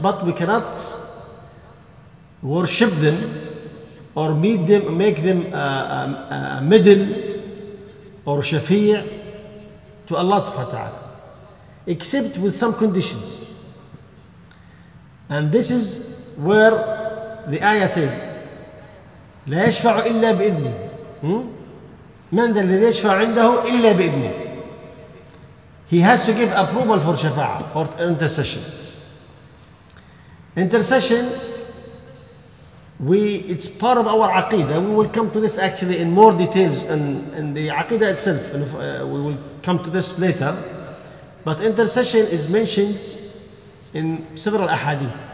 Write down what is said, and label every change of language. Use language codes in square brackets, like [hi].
[en] But we cannot worship them or meet them, make them a middle or shafi'. To Allah subhanahu wa ta'ala, except with some conditions. And this is where the ayah says, [ar] لا يشفع إلا بإذنه. من ذا الذي يشفع عنده إلا بإذنه. [en] He has to give approval for shafa'a or intercession. Intercession, it's part of our aqeedah. We will come to this actually in more details in the aqeedah itself. We will come to this later. But intercession is mentioned in several ahadith.